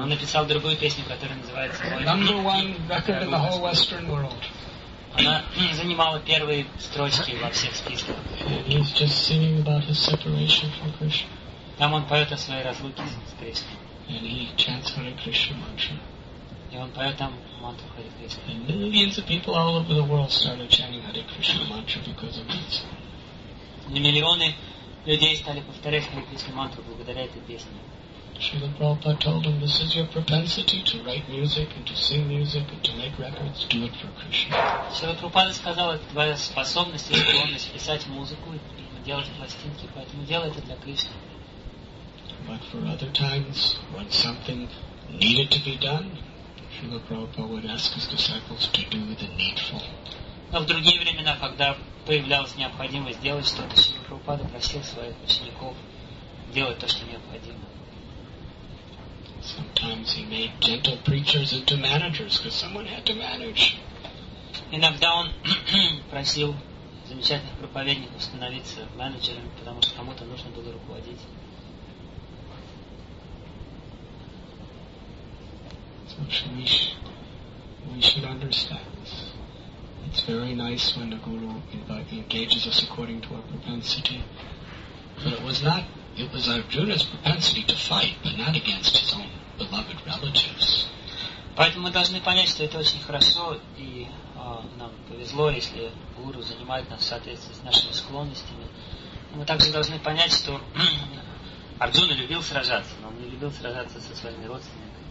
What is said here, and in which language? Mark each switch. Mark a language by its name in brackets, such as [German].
[Russian] Он написал другую песню, которая называется [English] Number One Record in the whole Western World. [Russian] Она занимала первые строчки во всех списках. [English] And he's just singing about his separation from Krishna. [Russian] Там он поет о своей разлуке с Кришной. [English] And he chants Hare Krishna mantra. [Russian] И он поет там мантру Hare Krishna. [English] And millions of people all over the world started chanting Hare Krishna mantra because of this. [Russian] И миллионы людей стали повторять Hare Krishna mantra благодаря этой песне. [English] Śrīla Prabhupāda told him, this is your propensity to write music and to sing music and to make records, do it for Krishna. [Russian] Śrīla Prabhupāda сказал, это твоя способность и склонность писать музыку и делать пластинки, поэтому делай это для Кришны. [English] But for other times, when something needed to be done, Śrīla Prabhupāda would ask his disciples to do the needful. [Russian] Но в другие времена, когда появлялась необходимость делать что-то, Śrīla Prabhupāda просил своих учеников делать то, что необходимо. [English] Sometimes he made gentle preachers into managers because someone had to manage. [Russian] Иногда он просил замечательных проповедников становиться менеджерами, потому что кому-то нужно было руководить. [English] So we should understand this. It's very nice when the guru engages us according to our propensity, but it was Arjuna's propensity to fight, but not against his own beloved relatives. [Russian] Поэтому мы должны понять, что это очень хорошо и нам повезло, если гуру занимает нас в соответствии с нашими склонностями. Мы также должны понять, что Арджуна любил сражаться, но он не любил сражаться со своими родственниками.